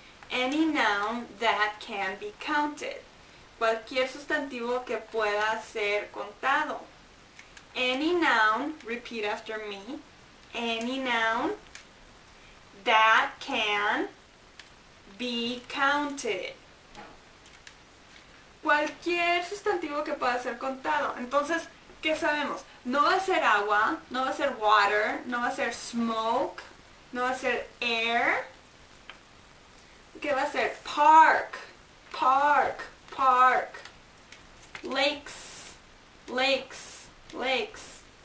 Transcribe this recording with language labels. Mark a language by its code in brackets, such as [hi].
[en] Any noun that can be counted. [es] Cualquier sustantivo que pueda ser contado. [en] Any noun, repeat after me. Any noun that can be counted. [es] Cualquier sustantivo que pueda ser contado. Entonces, ¿qué sabemos? No va a ser agua, no va a ser water, no va a ser smoke, no va a ser air. ¿Qué va a ser? [en] Park, park, park. Lakes, lakes, lakes.